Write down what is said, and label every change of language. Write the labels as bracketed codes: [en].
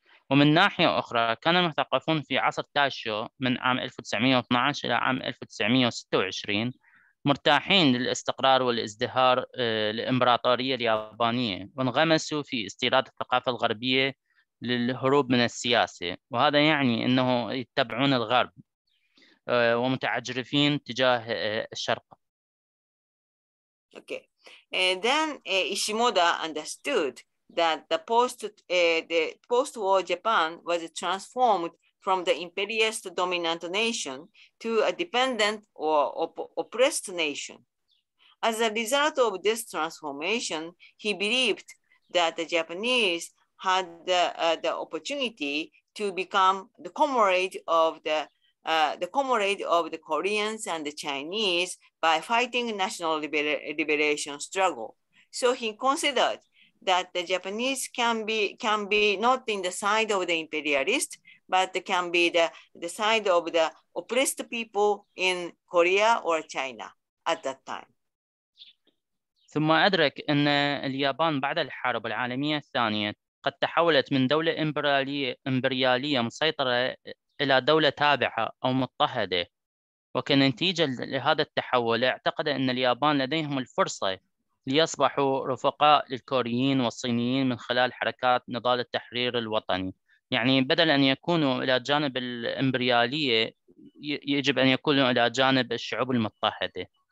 [ar] ومن ناحية أخرى، كان المثقفون في عصر تايشو من عام 1912 إلى عام 1926 مرتاحين للاستقرار والازدهار للإمبراطورية اليابانية، وانغمسوا في استيراد الثقافة الغربية للهروب من السياسة، وهذا يعني أنه يتبعون الغرب ومتعجرفين تجاه الشرق. [en] Okay, and then Ishimoda understood that the post-war Japan was transformed from the imperialist dominant nation to a dependent or oppressed nation. As a result of this transformation, he believed that the Japanese had the opportunity to become the comrade of the Koreans and the Chinese by fighting national liberation struggle. So he considered that the Japanese can be not in the side of the imperialist, but can be the side of the oppressed people in Korea or China at that time. [ar] ثم أدرك أن اليابان بعد الحرب العالمية الثانية قد تحولت من دولة إمبريالية مسيطرة إلى دولة تابعة أو مضطهدة، وكنتيجة لهذا التحول اعتقد أن اليابان لديهم الفرصة ليصبحوا رفقاء للكوريين والصينيين من خلال حركات نضال التحرير الوطني، يعني بدل أن يكونوا إلى جانب الإمبريالية يجب أن يكونوا إلى جانب الشعوب المضطهدة.